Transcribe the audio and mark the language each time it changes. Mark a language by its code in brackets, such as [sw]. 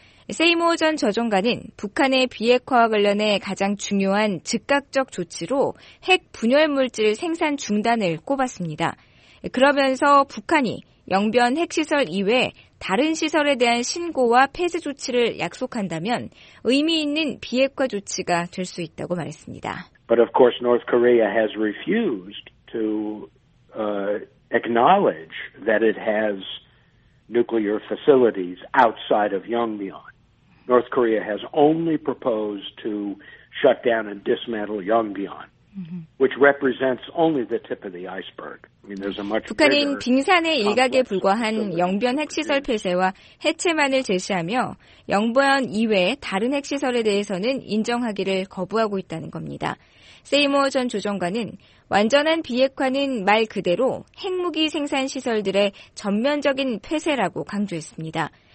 [ko] 세이모 전 조정관은 북한의 비핵화와 관련해 가장 중요한 즉각적 조치로 핵 분열물질 생산 중단을 꼽았습니다. 그러면서 북한이 영변 핵시설 이외 다른 시설에 대한 신고와 폐쇄 조치를 약속한다면 의미 있는 비핵화 조치가 될 수 있다고 말했습니다. [en] But of course North Korea has refused to acknowledge that it has nuclear facilities outside of Yongbyon. North Korea has only proposed to shut down and dismantle Yongbyon, which represents only the tip of the iceberg. I mean, there's a much [ko] 북한은 빙산의 일각에 불과한 영변 핵시설 폐쇄와 해체만을 제시하며 영변 이외 다른 핵시설에 대해서는 인정하기를 거부하고 있다는 겁니다. 세이머 전 조정관은 완전한 비핵화는 말 그대로 핵무기 생산 시설들의 전면적인 폐쇄라고 강조했습니다.